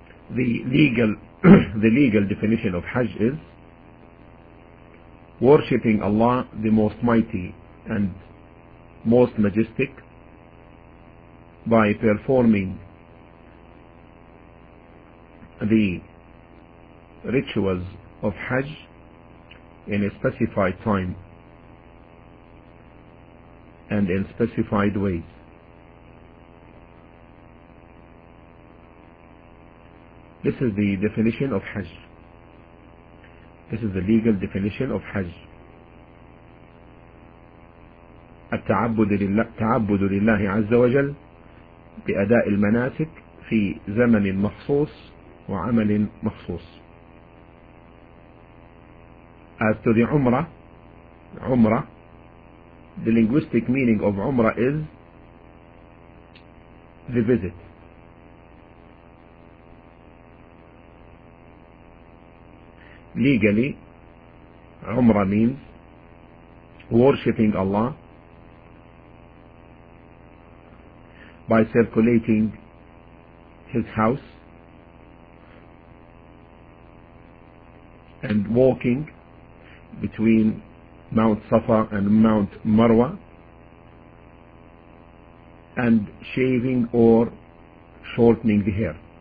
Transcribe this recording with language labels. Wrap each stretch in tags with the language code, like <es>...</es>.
<en>The legal definition of Hajj is worshipping Allah the Most Mighty and Most Majestic by performing the rituals of Hajj in a specified time and in specified ways. This is the definition of Hajj. This is the legal definition of Hajj.</en> <ar>التعبد لله عز وجل بأداء المناسك في زمن مخصوص وعمل مخصوص.</ar> <en>As to the Umrah, the linguistic meaning of Umrah is the visit. Legally, Umrah means worshipping Allah by circulating His house and walking between Mount Safa and Mount Marwa and shaving or shortening the hair.</en>